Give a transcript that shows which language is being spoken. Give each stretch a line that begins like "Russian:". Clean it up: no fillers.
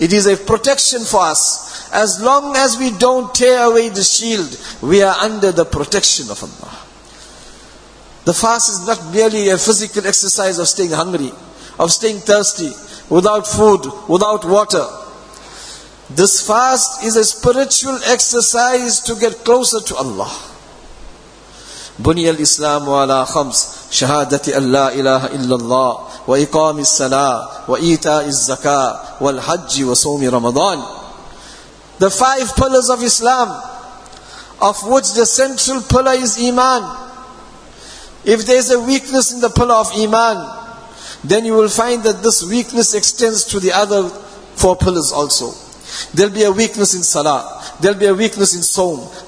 English: It is a protection for us. As long as we don't tear away the shield, we are under the protection of Allah. The fast is not merely a physical exercise of staying hungry, of staying thirsty, without food, without water. This fast is a spiritual exercise to get closer to Allah.
Arabic: بني الإسلام على خمس شهادة أن لا إله إلا الله وإقام الصلاة وإيتاء الزكاة والحج وصوم رمضان.
English: The five pillars of Islam, of which the central pillar is Iman. If there is a weakness in the pillar of Iman, then you will find that this weakness extends to the other four pillars also. There'll be a weakness in Salah. There'll be a weakness in Sawm.